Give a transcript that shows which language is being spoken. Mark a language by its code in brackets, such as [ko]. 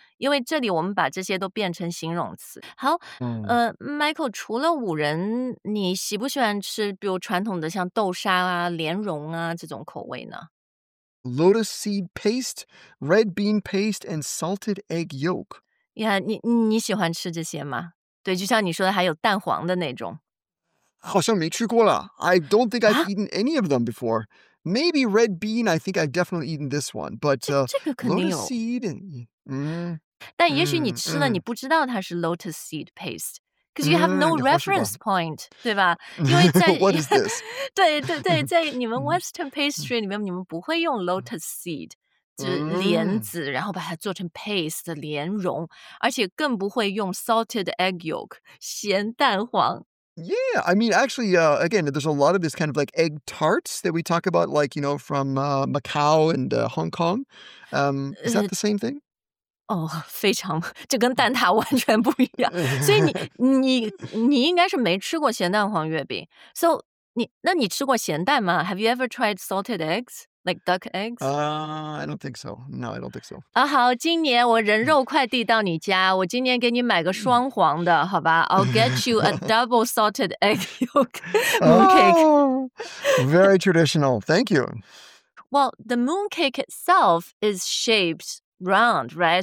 [zh] 因为这里我们把这些都变成形容词。好、Michael, 除了五仁你喜不喜欢吃比如传统的像豆沙啊莲蓉啊这种口味呢 [en] Lotus seed paste, red bean paste, and salted egg yolk. [zh] Yeah, 你喜欢吃这些吗？对，就像你说的，还有蛋黄的那种。好像没吃过了。 [en] I don't think I've eaten any of them before. Maybe red bean, I think I've definitely eaten this one. But [zh] 这个肯定有。 [en] Lotus seed and... [zh] 但也许你吃了，你不知道它是 [en] lotus seed paste. Because you have no reference point, [zh] 对吧？因为在 [en] What is this? [zh] 对对对，在你们 Western pastry 里面，你们不会用 lotus seed， 就是莲子，然后把它做成 paste 莲蓉，而且更不会用 [en] salted egg yolk [zh] 咸蛋黄。 [en] Yeah, I mean, actually, again, there's a lot of this kind of like egg tarts that we talk about, like you know, from Macau and Hong Kong. Is that the same thing? [zh] 哦、非常这跟蛋挞完全不一样所以你应该是没吃过咸蛋黄月饼 So, 你吃过咸蛋吗 [en] Have you ever tried salted eggs? Like duck eggs? I don't think so. No, I don't think so. [zh] 好，今年我人肉快递到你家，我今年给你买个双黄的，好吧？ [en] I'll get you a double salted egg yolk mooncake. Very traditional. Thank you. Well, the mooncake itself is shaped round, right?